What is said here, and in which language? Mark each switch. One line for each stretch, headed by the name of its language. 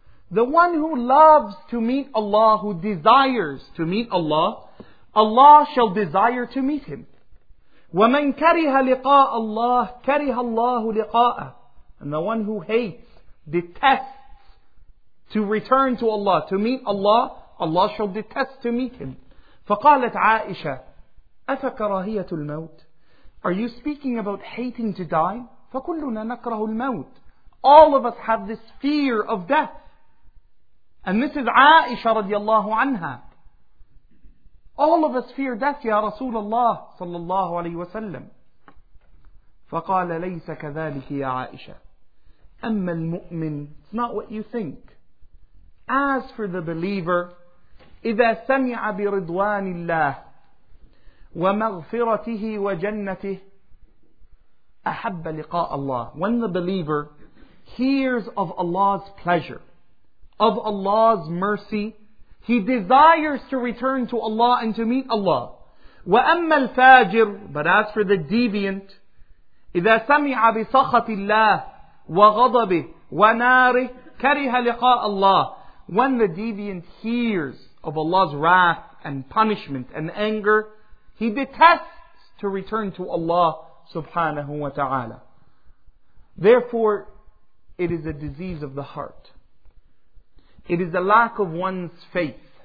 English: The one who loves to meet Allah, who desires to meet Allah, Allah shall desire to meet him.
Arabic: "Waman kariha liqa' Allah, kariha Allahu liqa'."
English: And the one who hates, detests to return to Allah, to meet Allah, Allah shall detest to meet him.
Arabic: فقالت عائشة أفكراهية الموت.
English: Are you speaking about hating to die?
Arabic: فكلنا نكره الموت.
English: All of us have this fear of death. And this is عائشة
Arabic: رضي الله عنها.
English: All of us fear death
Arabic: يا رسول الله صلى الله عليه وسلم. فقال ليس كذلك يا عائشة. أما المؤمن.
English: It's not what you think. As for the believer,
Arabic: إذا سمع برضوان الله ومغفرته وجنته أحب لقاء الله.
English: When the believer hears of Allah's pleasure, of Allah's mercy, he desires to return to Allah and to meet Allah.
Arabic: وأما الفاجر,
English: but as for the deviant,
Arabic: إذا سمع بسخط الله وغضبه وناره كره لقاء الله.
English: When the deviant hears of Allah's wrath and punishment and anger, he detests to return to Allah subhanahu wa ta'ala. Therefore, it is a disease of the heart. It is a lack of one's faith.